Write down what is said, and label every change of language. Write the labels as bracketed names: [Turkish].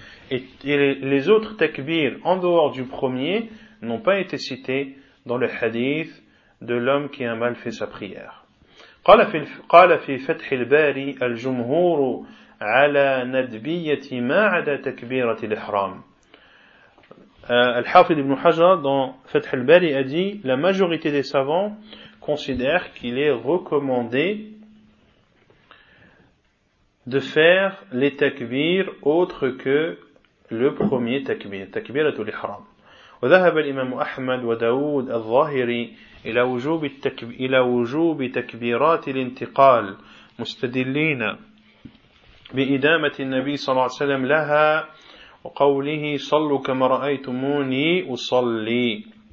[French] Et les autres takbir en dehors du premier n'ont pas été cités dans le hadith de l'homme qui a mal fait sa prière. [Arabic] قال في فتح الباري الجمهور على ندبية ما عدا تكبيرة الإحرام. [French] Al-Hafidh ibn Hajar dans Fath al-Bari a dit: la majorité des savants considèrent qu'il est recommandé de faire les takbir autres que le premier takbir, takbiratul ihram. [Arabic] Wa dhahaba al-Imam Ahmad wa Daoud al-Zahiri ila wujub at-takbir ila wujub takbirat al-intiqal mustadillin بإدامة النبي صلى الله عليه وسلم لها وقوله صلوا كما رأيتموني أصلي